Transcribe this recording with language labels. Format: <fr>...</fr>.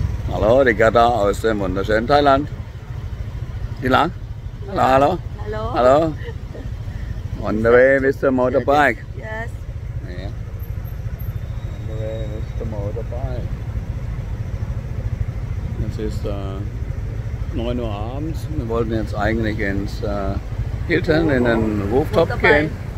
<de>Hallo, die Gerda aus dem wunderschönen Thailand. Wie lang? Hallo, hallo. Hallo. Hallo.</de> <en>On the way with the motorbike. Yes. On the way with the motorbike.</en> <de>Es ist 9 Uhr abends. Wir wollten jetzt eigentlich ins Hilton, in den Rooftop gehen.</de>